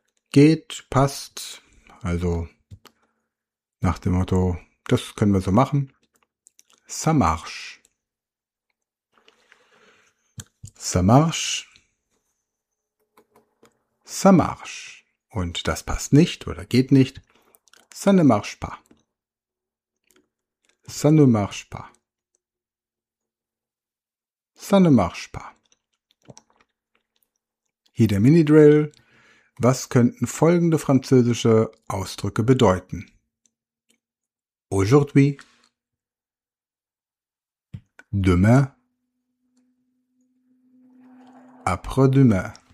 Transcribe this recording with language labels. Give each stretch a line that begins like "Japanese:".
German: Geht, passt, also nach dem Motto, das können wir so machen.
French: Ça marche. Ça marche. Ça marche.
German: Und das passt nicht oder geht nicht.
French: Ça ne marche pas. Ça ne marche pas. Ça ne marche pas.
German: Hier der Mini-Drill. Was könnten folgende französische Ausdrücke bedeuten? Aujourd'hui.
French: Demain. Après-demain.